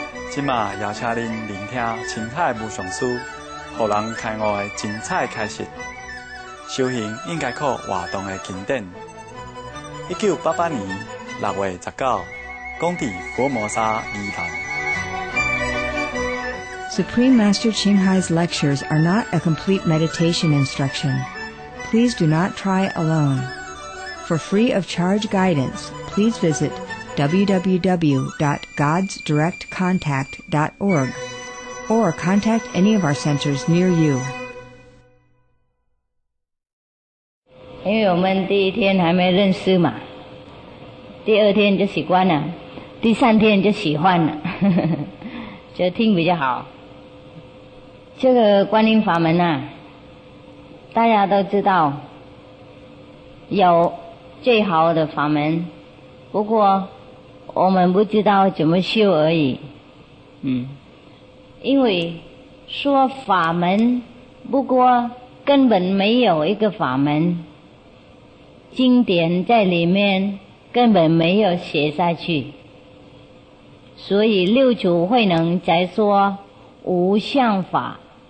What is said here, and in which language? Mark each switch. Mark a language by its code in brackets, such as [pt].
[zh] 今嘛邀请您聆听青海无上师，让人开悟的精彩开始。修行应该靠活动的经典。1988年6月19日，讲在福尔摩沙宜兰。 [en] Supreme Master Qinghai's lectures are not a complete meditation instruction. Please do not try alone. For free of charge guidance, please visit www.godsdirectcontact.org or contact any of our centers near you. Because we haven't met the first day, the second day is closed, the third day is changed. Just listen better. [zh] 这个观音法门啊，大家都知道有最好的法门，不过我们不知道怎么修而已。因为说法门，不过根本没有一个法门，经典在里面根本没有写下去，所以六祖慧能才说无相法。